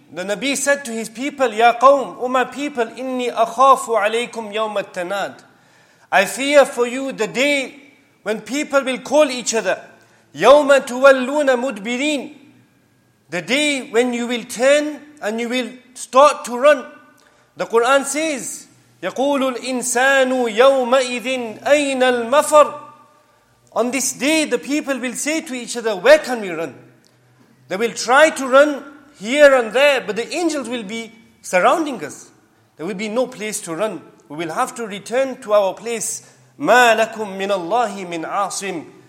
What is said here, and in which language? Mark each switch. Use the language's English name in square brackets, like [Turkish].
[English] The Nabi said to his people, Ya Qawm, O my people, [Arabic] إِنِّي أَخَافُ عَلَيْكُمْ يَوْمَ التَّنَادِ. [English] I fear for you the day when people will call each other. [Arabic] يَوْمَ تُوَلُّونَ مُدْبِرِينَ. [English] The day when you will turn and you will start to run. The Quran says, [Arabic] يَقُولُ الْإِنسَانُ يَوْمَئِذٍ أَيْنَ الْمَفَرُ. [English] On this day, the people will say to each other, where can we run? They will try to run here and there, but the angels will be surrounding us. There will be no place to run. We will have to return to our place. [Arabic] مَا لَكُم مِّنَ اللَّهِ مِنْ عَاصِمٍ.